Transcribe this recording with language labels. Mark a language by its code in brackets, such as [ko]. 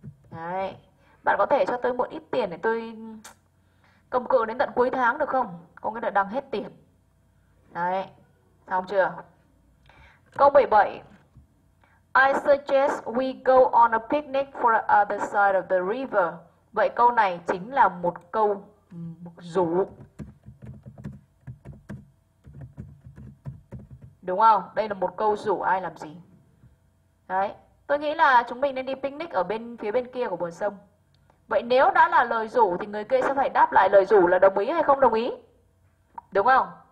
[vi] Đấy. Bạn có thể cho tôi một ít tiền để tôi công cụ đến tận cuối tháng được không? Có nghĩa là đang hết tiền. Đấy, xong chưa? Câu 17. [en] I suggest we go on a picnic for the other side of the river. [vi] Vậy câu này chính là một câu rủ. Đúng không? Đây là một câu rủ ai làm gì? Đấy, tôi nghĩ là chúng mình nên đi picnic ở bên phía bên kia của bờ sông. Vậy nếu đã là lời rủ thì người kia sẽ phải đáp lại lời rủ là đồng ý hay không đồng ý. Đúng không?